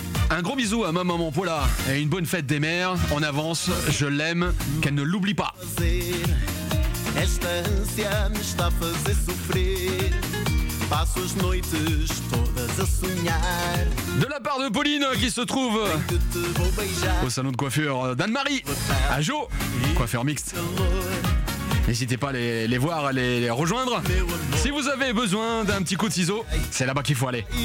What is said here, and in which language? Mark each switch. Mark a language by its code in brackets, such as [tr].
[fr] Un gros bisou à ma maman Paula et une bonne fête des mères. On avance, je l'aime, qu'elle ne l'oublie pas. [pt] Esta ansia me está a fazer sofrer. Passo as noites todas a sonhar. [fr] De la part de Pauline qui se trouve au salon de coiffure d'Anne-Marie à Jo, coiffeur mixte. N'hésitez pas à les voir, à les rejoindre. Si vous avez besoin d'un petit coup de ciseau, c'est là-bas qu'il faut aller.